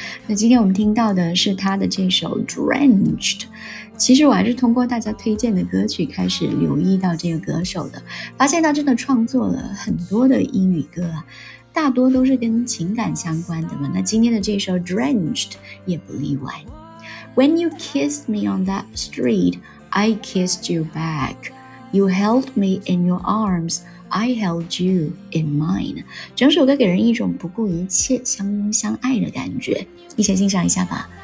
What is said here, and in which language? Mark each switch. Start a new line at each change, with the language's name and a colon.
Chinese: 那今天我们听到的是它的这首 Drenched。其实我还是通过大家推荐的歌曲开始留意到这个歌手的，发现他真的创作了很多的英语歌啊，大多都是跟情感相关的嘛。那今天的这首 Drenched 也不例外。
English: When you kissed me on that street, I kissed you back. You held me in your arms, I held you in mine.
Chinese: 整首歌给人一种不顾一切相拥相爱的感觉，一起欣赏一下吧。